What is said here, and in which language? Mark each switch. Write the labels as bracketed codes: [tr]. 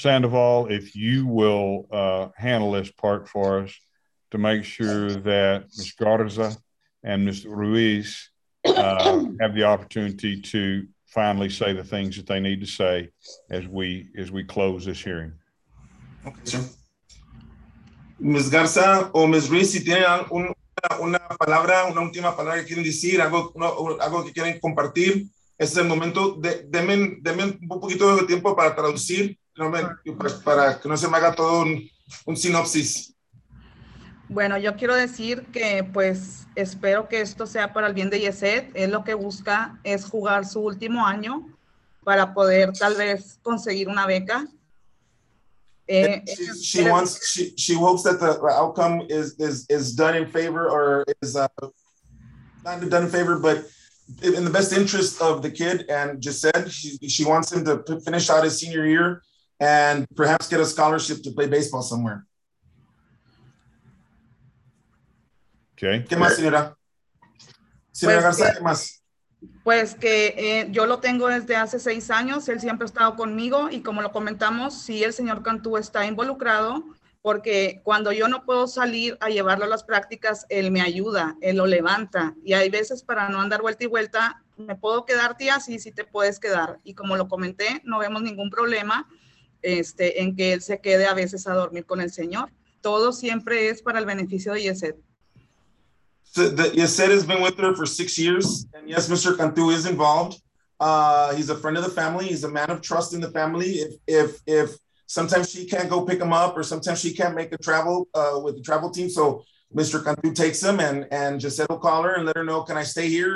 [en] Sandoval, if you will handle this part for us to make sure that Ms. Garza and Ms. Ruiz have the opportunity to finally say the things that they need to say as we close this hearing. Okay, sir. [es] Ms. Garza o Ms. Ruiz, si tienen una palabra, una última palabra que quieren decir, algo que quieren compartir, este es el momento. Denme un poquito de tiempo para traducir, para que no se me haga todo un sinopsis. Bueno, yo quiero decir que pues espero que esto sea para el bien de Gisette. Él lo que busca es jugar su último año para poder tal vez conseguir una beca. [en] She hopes that the outcome is done in favor or is not done in favor, but in the best interest of the kid and Gisette, she wants him to finish out his senior year and perhaps get a scholarship to play baseball somewhere. Okay. [es] ¿Qué más, señora? Señora Garza, ¿qué más? Pues que yo lo tengo desde hace 6 años, él siempre ha estado conmigo y como lo comentamos, sí, el señor Cantú está involucrado porque cuando yo no puedo salir a llevarlo a las prácticas, él me ayuda, él lo levanta y hay veces para no andar vuelta y vuelta, me puedo quedar, tía, sí, sí te puedes quedar. Y como lo comenté, no vemos ningún problema en que él se quede a veces a dormir con el señor. Todo siempre es para el beneficio de Yeset. [en] So Yeset has been with her for 6 years, and yes, Mr. Cantu is involved. He's a friend of the family. He's a man of trust in the family. If sometimes she can't go pick him up, or sometimes she can't make a travel with the travel team, so Mr. Cantu takes him, and Yeset will call her and let her know, can I stay here?